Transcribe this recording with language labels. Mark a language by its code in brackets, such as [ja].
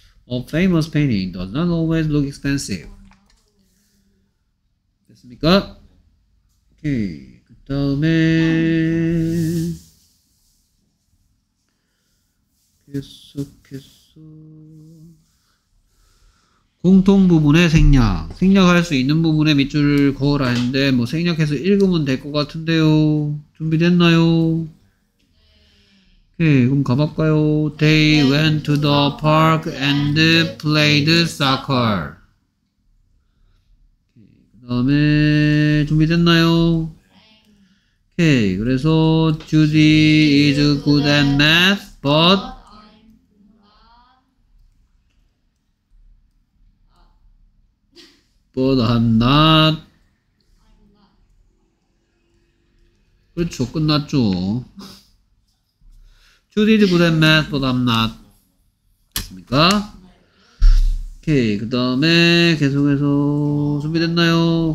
[en] A famous painting does not always look expensive. [ko] 됐습니까? 오케이. 그 다음에 계속 공통 부분의 생략. 생략할 수 있는 부분에 밑줄을 그어라 했는데 뭐 생략해서 읽으면 될 것 같은데요. 준비됐나요? 오케이. 그럼 가볼까요? [en] They went to the park and played soccer. [ko] 그 다음에 준비됐나요? 오케이. [en] 그래서 Judy is good at math but But I'm not. [ko] 그렇죠. 끝났죠. [en] Judy is good at math, but I'm not. [ko] 됐습니까? 오케이. 그 다음에 계속해서 준비됐나요?